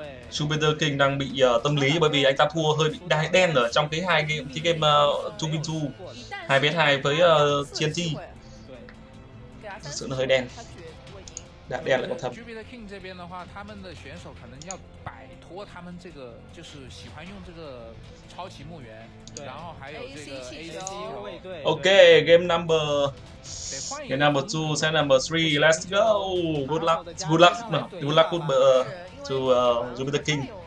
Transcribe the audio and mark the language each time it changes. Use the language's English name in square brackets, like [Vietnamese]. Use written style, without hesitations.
[Vietnamese] Jupiter King đang bị tâm lý bởi vì anh ta thua hơi bị đen ở trong cái hai game, cái game 2v2 2v2 với TNT. Thực sự nó hơi đen. Đã đen lại còn thấp. [Chinese] Jupiter King 这边的话, 他们的选手可能要摆脱他们这个就是喜欢用这个超级墓园, 然后还有这个AC气球。OK, [English] game number 2, set number 3, let's go. Good luck to Jupiter King.